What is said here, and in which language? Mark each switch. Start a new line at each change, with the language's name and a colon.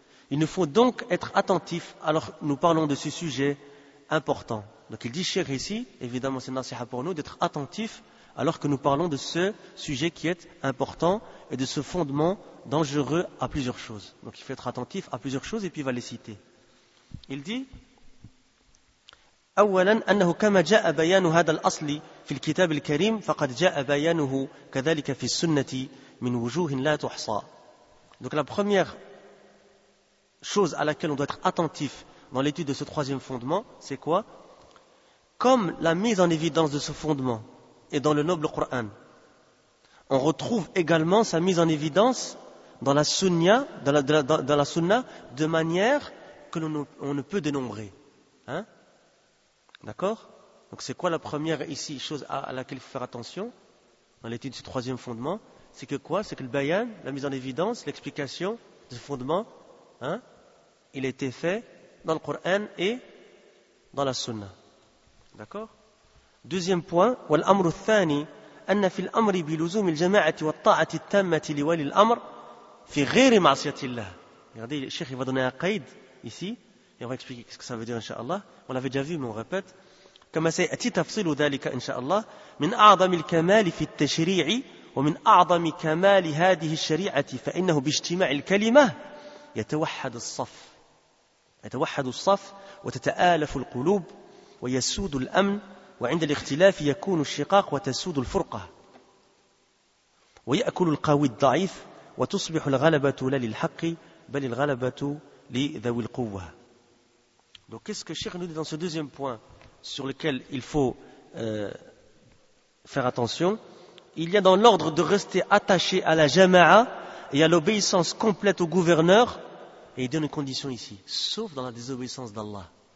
French: Il nous faut donc être attentifs, alors nous parlons de ce sujet important. Donc il dit, cher ici, évidemment c'est une nasiha pour nous, d'être attentifs alors que nous parlons de ce sujet qui est important et de ce fondement dangereux à plusieurs choses. Donc il faut être attentif à plusieurs choses et puis il va les citer.
Arabic: Il dit, أولا أنه كما جاء بيان هذا الأصل في الكتاب الكريم فقد جاء بيانه كذلك في السنة من وجوه لا تحصى.
French: Donc la première chose à laquelle on doit être attentif dans l'étude de ce troisième fondement, c'est quoi? Comme la mise en évidence de ce fondement est dans le noble Coran, on retrouve également sa mise en évidence dans la sunna, de manière que on ne peut dénombrer. Hein? D'accord? Donc c'est quoi la première ici chose à laquelle il faut faire attention dans l'étude de ce troisième fondement? c'est que quoi? C'est que le bayan, la mise en évidence, l'explication, le fondement, hein, il a été fait dans le Coran et dans la Sunna. D'accord? Deuxième point,
Arabic: والأمر الثاني أن في الأمر بلزوم الجماعة والطاعة التامة لولي الأمر في غير معصية الله.
French: Regardez, le cheikh va donner un qaïd ici, et on va expliquer ce que ça veut dire, inshallah. On l'avait déjà vu, mais on répète.
Arabic: كما سيأتي تفصيل ذلك إن شاء الله من أعظم الكمال في التشريع ومن أعظم كمال هذه الشريعة فإنه باجتماع الكلمة يتوحد الصف يتوحد الصف وتتآلف القلوب ويسود الأمن وعند الاختلاف يكون الشقاق وتسود الفرقة ويأكل القوي الضعيف وتصبح الغلبة لا للحق بل الغلبة لذوي القوة.
French: Donc qu'est-ce que Cheikh nous dit dans ce deuxième point sur lequel il faut faire attention? Il y a dans l'ordre de rester attaché à la jama'a et à l'obéissance complète au gouverneur, et il donne une condition ici, sauf dans la désobéissance d'Allah.